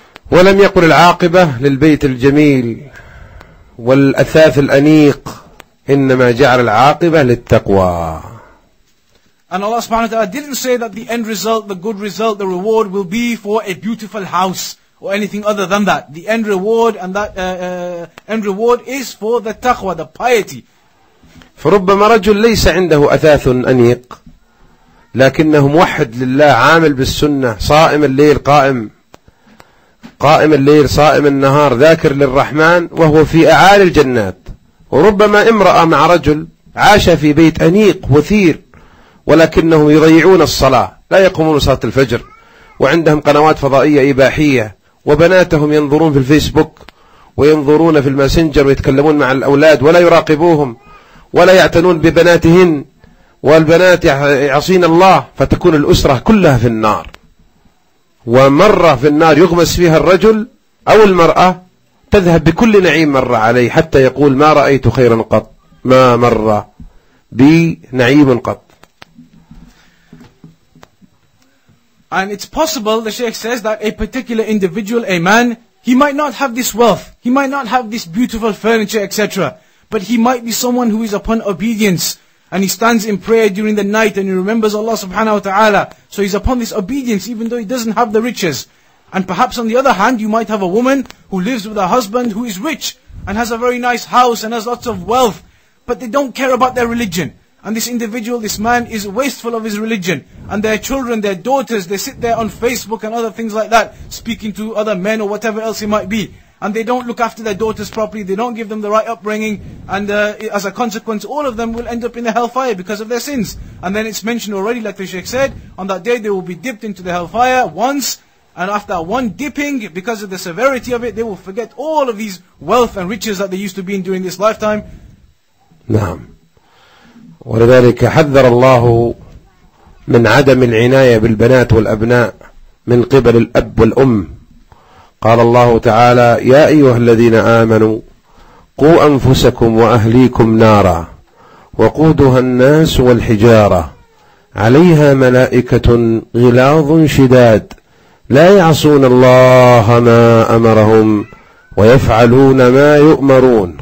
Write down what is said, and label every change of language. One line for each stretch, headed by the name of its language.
Arabic: وَلَمْ يَقُلِ الْعَاقِبَةُ لِلْبَيْتِ الْجَمِيلِ وَالْأَثَاثِ الْأَنِيقِ إِنَّمَا جَعْلَ الْعَاقِبَةُ لِلتَّقْوَى.
English: And Allah subhanahu wa ta'ala didn't say that the end result, the good result, the reward will be for a beautiful house or anything other than that. The end reward and that end reward is for the taqwa, the piety.
Arabic: فَرُبَّمَا رَجُلْ لَيْسَ عِنْدَهُ أَثَاثٌ أَنِيقٌ لَكِنَّهُ مُوَحِّدٌ لِلَّهِ عَامِلٌ بِالسُّنَّةِ صَائِمَ اللَّيْلِ قَائِمَ اللَّيْلِ صَائِمَ النَّهَارِ ذَاكِرٌ لِلرَّحْمَنِ وَهُوَ فِي أَعَالِ الْجَنَّاتِ وَرُبَّمَا امْرَأَةٌ مَعَ رَجُلٍ عَاشَ فِي بَيْتٍ أَنِيقٍ وَثِيرٍ ولكنهم يضيعون الصلاة لا يقومون صلاة الفجر وعندهم قنوات فضائية إباحية وبناتهم ينظرون في الفيسبوك وينظرون في الماسنجر ويتكلمون مع الأولاد ولا يراقبوهم ولا يعتنون ببناتهن والبنات يعصين الله فتكون الأسرة كلها في النار ومرة في النار يغمس فيها الرجل أو المرأة تذهب بكل نعيم مر عليه حتى يقول ما رأيت خيرا قط ما مر بنعيم قط.
English: And it's possible, the Shaykh says, that a particular individual, a man, he might not have this wealth, he might not have this beautiful furniture, etc. But he might be someone who is upon obedience, and he stands in prayer during the night, and he remembers Allah subhanahu wa ta'ala. So he's upon this obedience, even though he doesn't have the riches. And perhaps on the other hand, you might have a woman who lives with a husband who is rich, and has a very nice house, and has lots of wealth, but they don't care about their religion. And this individual, this man, is wasteful of his religion. And their children, their daughters, they sit there on Facebook and other things like that, speaking to other men or whatever else it might be. And they don't look after their daughters properly, they don't give them the right upbringing, and as a consequence, all of them will end up in the hellfire because of their sins. And then it's mentioned already, like the Sheikh said, on that day they will be dipped into the hellfire once, and after one dipping, because of the severity of it, they will forget all of these wealth and riches that they used to be in during this lifetime.
Arabic: Naam. ولذلك حذر الله من عدم العناية بالبنات والأبناء من قبل الأب والأم. قال الله تعالى يا أيها الذين آمنوا قوا أنفسكم وأهليكم نارا وقودها الناس والحجارة عليها ملائكة غلاظ شداد لا يعصون الله ما أمرهم ويفعلون ما يؤمرون.